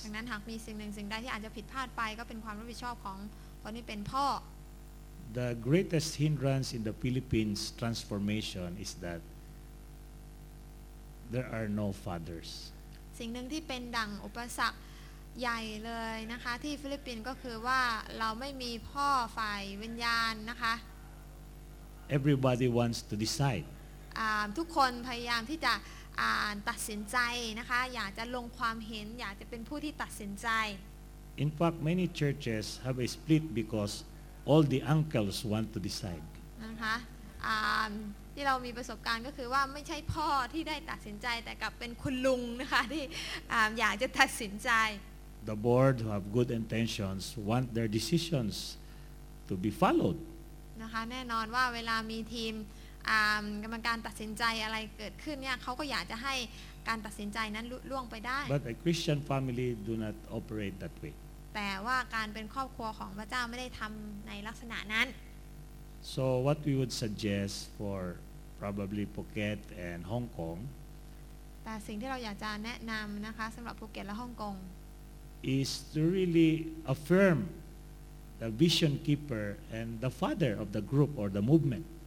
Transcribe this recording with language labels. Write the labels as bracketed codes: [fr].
[th] ดังนั้นหากมีสิ่งหนึ่งสิ่งใดที่อาจจะผิดพลาดไปก็เป็นความรับผิดชอบของคนที่เป็นพ่อ [en] The greatest hindrance in the Philippines transformation is that there are no fathers. [th] สิ่งหนึ่งที่เป็นดั่งอุปสรรคใหญ่เลยนะคะที่ฟิลิปปินส์ก็คือว่าเราไม่มีพ่อฝ่ายวิญญาณนะคะ [en] Everybody wants to decide. [th] ทุกคนพยายามที่จะตัดสินใจนะคะอยากจะลงความเห็นอยากจะเป็นผู้ที่ตัดสินใจ [en] In fact, many churches have a split because all the uncles want to decide [th] นะคะ ที่เรามีประสบการณ์ก็คือว่าไม่ใช่พ่อที่ได้ตัดสินใจแต่กลับเป็นคุณลุงนะคะที่อยากจะตัดสินใจ [en] The board who have good intentions want their decisions to be followed [th] นะคะแน่นอนว่าเวลามีทีมกรรมการตัดสินใจอะไรเกิดขึ้นเนี่ยเขาก็อยากจะให้การตัดสินใจนั้นล่วงไปได้ [en] But a Christian family do not operate that way [th] แต่ว่าการเป็นครอบครัวของพระเจ้าไม่ได้ทำในลักษณะนั้น [en] So what we would suggest for probably Phuket and Hong Kong [th] แต่สิ่งที่เราอยากจะแนะนำนะคะสำหรับภูเก็ตและฮ่องกง [en] is to really affirm the vision keeper and the father of the group or the movement